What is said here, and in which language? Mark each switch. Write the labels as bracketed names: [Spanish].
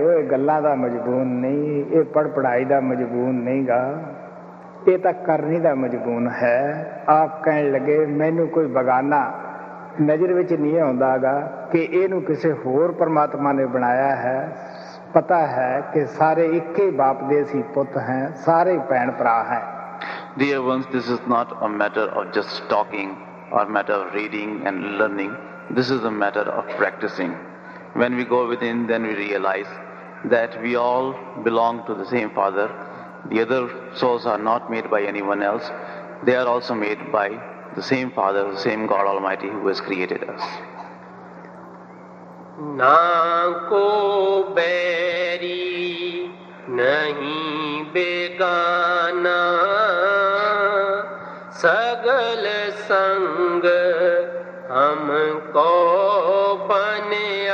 [Punjabi] ਹੋਏ ਗੱਲਾਂ ਦਾ ਮਜ਼ਬੂਨ ਨਹੀਂ, ਇਹ ਪੜ ਪੜਾਈ ਦਾ ਮਜ਼ਬੂਨ ਨਹੀਂ ਗਾ, ਇਹ ਤਾਂ ਕਰਨੀ ਦਾ ਮਜ਼ਬੂਨ ਹੈ। ਆਪ ਕਹਿਣ ਲੱਗੇ ਮੈਨੂੰ ਕੋਈ ਬਗਾਨਾ ਨਜ਼ਰ ਵਿੱਚ ਨਹੀਂ ਆਉਂਦਾ ਗਾ ਕਿ ਇਹਨੂੰ ਕਿਸੇ ਹੋਰ ਪਰਮਾਤਮਾ ਨੇ ਬਣਾਇਆ ਹੈ। ਪਤਾ ਹੈ ਕਿ ਸਾਰੇ ਇੱਕੇ ਬਾਪ ਦੇ ਅਸੀਂ ਪੁੱਤ ਹੈ, ਸਾਰੇ ਭੈਣ ਭਰਾ ਹੈ। [English] Dear ones, this is not a matter of just talking or matter of reading and learning, this is a matter of practicing. When we go within, then we realize that we all belong to the same Father. The other souls are not made by anyone else. They are also made by the same Father, the same God Almighty who has created us. [Punjabi] Na ko beri nahi begana, sagal sang hum ko bane